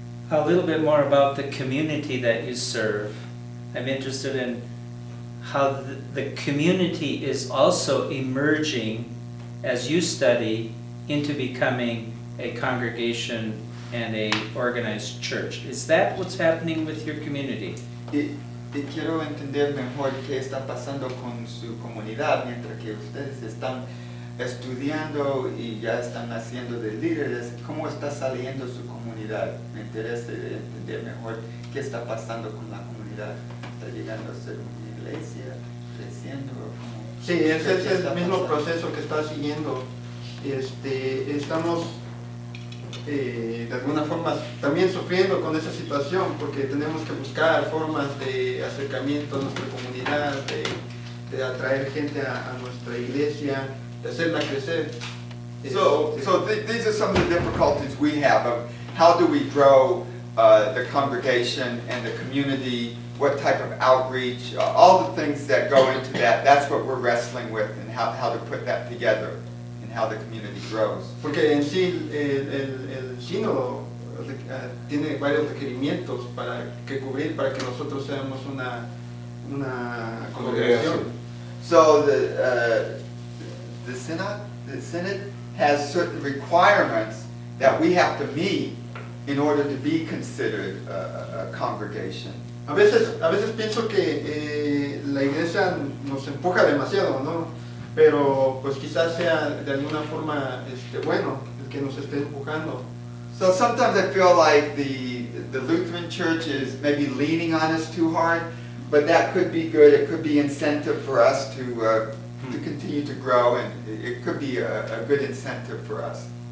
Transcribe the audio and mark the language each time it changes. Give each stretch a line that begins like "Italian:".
English: A little bit more about the community that you serve. I'm interested in how the community is also emerging as you study into becoming a congregation and a organized church. Is that what's happening with your community?
Spanish: Y quiero entender mejor qué está pasando con su comunidad mientras que ustedes están estudiando y ya están haciendo de líderes. ¿Cómo está saliendo su comunidad? Me interesa entender mejor qué está pasando con la comunidad. ¿Está llegando a ser una iglesia? ¿Creciendo? Sí, ese es el mismo proceso que está siguiendo. Estamos de alguna forma también sufriendo con esa situación porque tenemos que buscar formas de acercamiento a nuestra comunidad, de atraer gente a nuestra iglesia, de hacerla crecer.
English: So these are some of the difficulties we have of how do we grow the congregation and the community, what type of outreach, all the things that go into that, that's what we're wrestling with, and how to put that together and how the community grows.
Spanish: Porque en sí el sínodo tiene varios requerimientos para que cubrir para que nosotros seamos una congregación.
English: So the synod has certain requirements that we have to meet in order to be considered a congregation.
Spanish: A veces pienso que la iglesia nos empuja demasiado, ¿no? Pero pues quizás sea de alguna forma bueno el que nos esté empujando.
English: So sometimes I feel like the Lutheran Church is maybe leaning on us too hard, but that could be good. It could be incentive for us to continue to grow, and it could be a good incentive for us.